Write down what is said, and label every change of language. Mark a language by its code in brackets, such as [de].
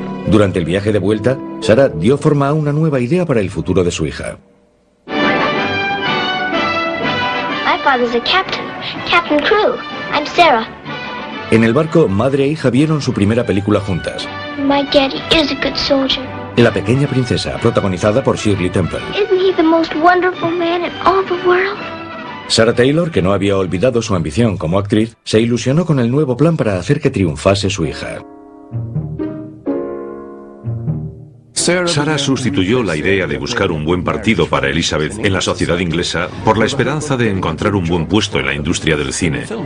[es] Durante el viaje de vuelta, Sara dio forma a una nueva idea para el futuro de su hija. [en] My father's a captain. Captain Crew. I'm Sarah. [es] En el barco, madre e hija vieron su primera película juntas. [en] My daddy is a good soldier. [es] La pequeña princesa, protagonizada por Shirley Temple. [en] Isn't he the most wonderful man in all the world? [es] Sarah Taylor, que no había olvidado su ambición como actriz, se ilusionó con el nuevo plan para hacer que triunfase su hija. Sarah sustituyó la idea de buscar un buen partido para Elizabeth en la sociedad inglesa por la esperanza de encontrar un buen puesto en la industria del cine.